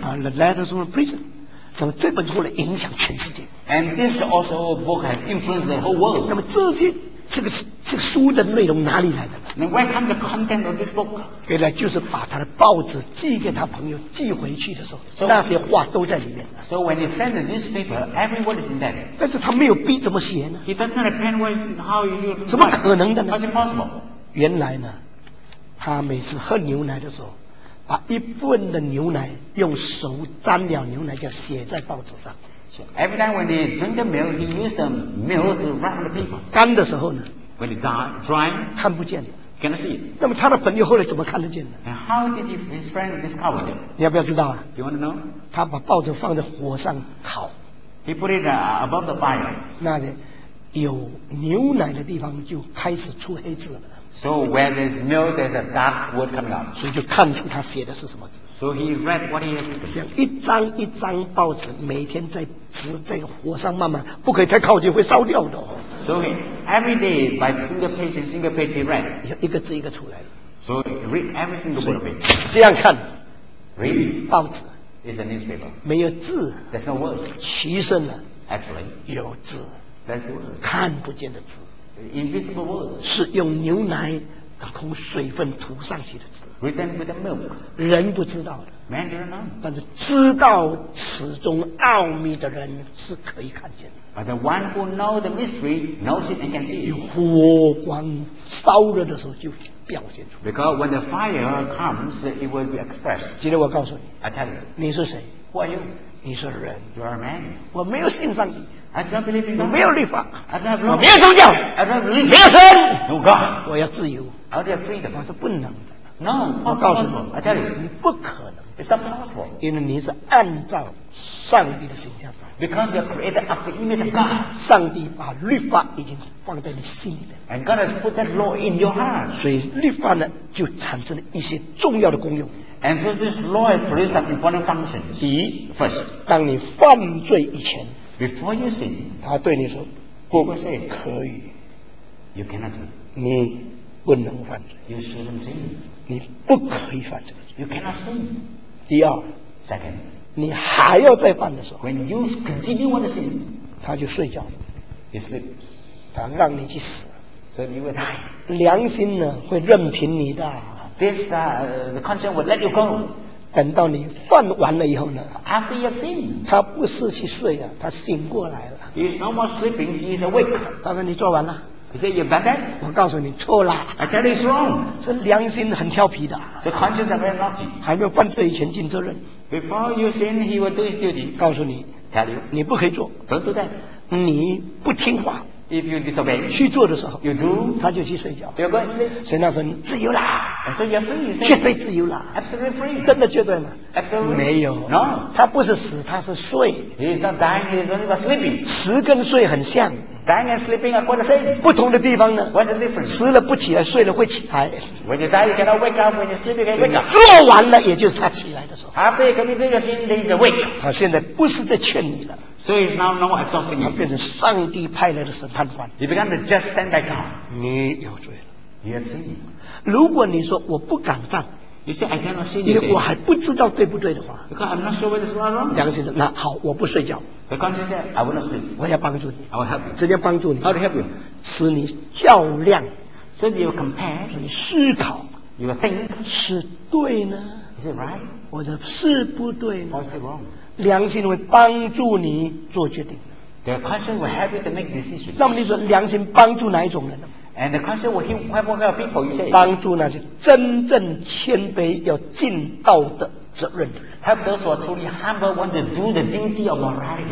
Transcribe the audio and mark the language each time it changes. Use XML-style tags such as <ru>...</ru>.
<en>The letters from the prison.</en> <zh>那么这本书来影响全世界。</zh> <en>And this also book has influenced the whole world.</en> <zh>那么这个书的内容哪里来的？</zh> <en>Then where comes the content of this book?</en> <zh>原来就是把他的报纸寄给他朋友寄回去的时候，</zh> <en>so,</en> <zh>那些话都在里面。</zh> <en>So when he sends this paper, every word is in there.</en> <zh>但是他没有笔怎么写呢？</zh> <en>He doesn't have a pen. What is how you?</en> <zh>怎么可能的呢？</zh> <en>How is it possible?</en> <zh>原来呢，他每次喝牛奶的时候，把一份的牛奶用手沾了牛奶，就写在报纸上。</zh> <en>Every time when they drink the milk, he used the milk to wrap the paper.</en> <zh>干的时候呢</zh> <en>？When it dry,</en> <zh>看不见。</zh> <en>Cannot see.</en> <zh>那么他的朋友后来怎么看得见呢</zh> <en>？And how did his friend discover it?</en> <zh>你要不要知道啊</zh> <en>？You want to know?</en> <zh>他把报纸放在火上烤。</zh> <en>He put it above the fire.</en> <zh>那里有牛奶的地方就开始出黑字了。</zh> <en>So when there's milk, there's a dark word coming out.</en> <zh>所以就看出他写的是什么字。</zh> <en>So he read what he had written.</en> <zh>像一张一张报纸，每天在纸在火上慢慢，不可以太靠近，会烧掉的。</zh> <en>So he, every day by single page he read.</en> <zh>一个字一个出来了。</zh> <en>So read every single word of it.</en> <zh>这样看</zh> <en>，read</en> <zh>报纸</zh> <en>is a newspaper.</en> <zh>没有字</zh> <en>，there's no word.</en> <zh>其实呢</zh> <en>，actually</en> <zh>有字</zh> <en>，there's word.</en> <zh>看不见的字。</zh> <en>Invisible words.</en> <zh>是用牛奶打空水分涂上去的字</zh> <en>Written with the milk.</en> <zh>人不知道的</zh> <en>Man didn't know.</en> <zh>但是知道此中奥秘的人是可以看见的</zh> <en>But the one who knows the mystery knows it and can see it.</en> <zh>有火光烧热的时候就表现出</zh> <en>Because when the fire comes, it will be expressed.</en> <zh>今天我告诉你</zh> <en>I tell you.</en> <zh>你是谁</zh> <en>Who are you?</en> <zh>你是人</zh> <en>You are a man.</en> <zh>我没有信上帝</zh> <en>I don't believe in God.</en> <zh>我没有律法</zh> <en>I don't have</en> <zh>我没有宗教</zh> <en>I don't believe</en> <zh>没有神</zh> <en>no God.</en> <zh>我要自由</zh> <en>I don't have freedom.</en> <zh>我是不能的</zh> <en>no,</en> <zh>我告诉</zh> <en>I tell you.</en> <zh>你不可能</zh> <en>It's not possible.</en> <zh>因为你是按照上帝的形象</zh> <en>Because you're created after the image of God.</en> <zh>上帝把律法已经放在你心里</zh> <en>And God has put that law in your heart.</en> <zh>所以律法呢就产生了一些重要的功用</zh> <en>And so this law has produced some important functions.</en> <zh>第一</zh> <en>First.</en> <zh>当你犯罪以前</zh> <en>Before you sin,</en> <zh>他对你说不可以</zh> <en>you cannot.</en> <zh>你不能犯罪</zh> <en>you shouldn't sin.</en> <zh>你不可以犯罪</zh> <en>you cannot sin.</en> <zh>第二</zh> <en>Second,</en> <zh>你还要再犯的时候</zh> <en>when you continue want to sin,</en> <zh>他就睡觉</zh> <en>he sleeps.</en> <zh>他让你去死</zh> <en>so you will die.</en> <zh>良心呢会任凭你的</zh> <en>this the conscience will let you go.</en> <zh>等到你犯完了以后呢</zh> <en>After you have seen,</en> <zh>他不是去睡啊他醒过来了</zh> <en>He is no more sleeping, he is awake</en> <zh>他说你做完了</zh> <en>He said you're bad then</en> <zh>我告诉你错了</zh> <en>I tell you it's wrong</en> <zh>说良心很调皮的</zh> <en>The conscience are very naughty</en> <zh>还没有犯罪以前尽责任</zh> <en>Before you sin, he will do his duty</en> <zh>告诉你</zh> <en>Tell you</en> <zh>你不可以做</zh> <en>Don't do that</en> <zh>你不听话</zh> <en>If you disobey</en> <zh>去做的时候</zh> <en>You do</en> <zh>他就去睡觉</zh> <en>You're going to sleep</en> <zh>所以那时候你自由啦</zh> <en>And so you're free, you're free.</en> <zh>绝对自由了</zh> <en>Absolutely free.</en> <zh>真的绝对吗</zh> <en>Absolutely.</en> <zh>没有</zh> <en>No.</en> <zh>他不是死他是睡</zh> <en>He's not dying He's only but sleeping</en> <zh>死跟睡很像</zh> <en>Dying and sleeping are quite the same</en> <zh>不同的地方呢</zh> <en>What's the difference?</en> <zh>死了不起来睡了会起来</zh> <en>When you die you cannot wake up When you sleep you can wake up</en> <zh>做完了也就是他起来的时候</zh> <en>After you commit your sin He's awake</en> <zh>他现在不是在劝你了</zh> <en>So he's now no more exhausting you</en> <zh>他变成上帝派来的审判官</zh> <en>He began to just stand by God</en> <zh>你有罪了</zh> <en>You have sinned</en> <zh>如果你说我不敢犯</zh> <en>you say, I cannot see,</en> <zh>因为我还不知道对不对的话</zh> <en>Because I'm not sure whether it's right or wrong.</en> <zh>良心的那好我不睡觉</zh> <en>The conscience said, I will not sleep.</en> <zh>我要帮助你</zh> <en>I will help you.</en> <zh>直接帮助你</zh> <en>How to help you?</en> <zh>使你较量</zh> <en>So you will compare</en> <zh>你思考</zh> <en>You will think</en> <zh>是对呢</zh> <en>Is it right?</en> <zh>或者是不对呢</zh> <en>Or is it wrong?</en> <zh>良心会帮助你做决定</zh> <en>The conscience will help you to make decisions.</en> <zh>那么你说良心帮助哪一种人呢</zh> <en>And the question will help what kind of people you say?</en> <zh>帮助那些真正谦卑要尽道的责任的人。</zh> <en>Help those who are truly humble want to do the duty of morality.</en>